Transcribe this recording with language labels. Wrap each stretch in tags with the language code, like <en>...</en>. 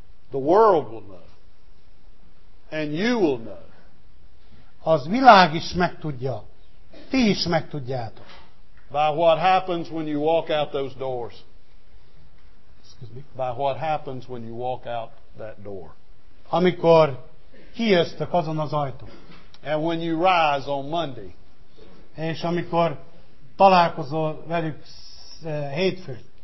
<en>The world will know, and you will know.</en> <hu>Az világ is megtudja, ti is megtudjátok.</hu> <en>By what happens when you walk out those doors? Excuse me. By what happens when you walk out that door?</en> <hu>Amikor kijöttök azon az ajtón.</hu> <en>And when you rise on Monday.</en> <hu>És amikor találkozol velük hétfőn.</hu>